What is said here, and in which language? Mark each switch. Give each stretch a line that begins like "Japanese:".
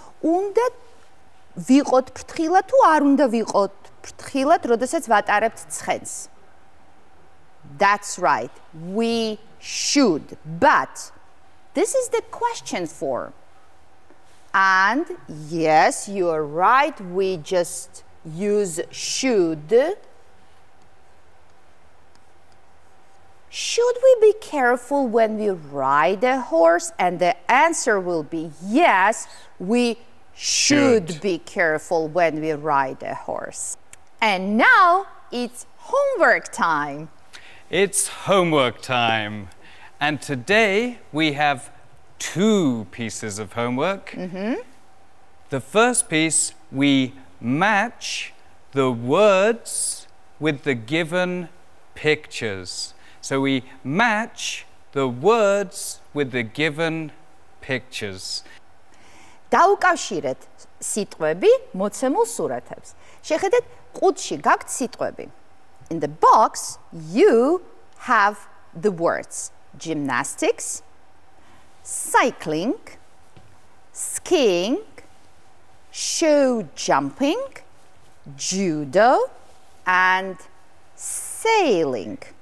Georgian: Unda ვიყოთ ფრთხილად თუ არ უნდა ვიყოთ ფრთხილად, როდესაც ვატარებთ ცხენს?
English: That's right. We should. But this is the question form. And yes, you're right. We just use should. Should we be careful when we ride a horse? And the answer will be yes, we should be careful when we ride a horse. And now it's homework time. It's homework time. And today we have two pieces of homework. Mm-hmm. The first piece, we match the words with the given pictures. So we match the words with the given pictures.
Georgian: დაუკავშირეთ სიტყვები მოცემულ სურათებს. შეხედეთ ყუთში გაქვთ სიტყვები.
English: In the box you have the words gymnastics, cycling, skiing, show jumping, judo and sailing.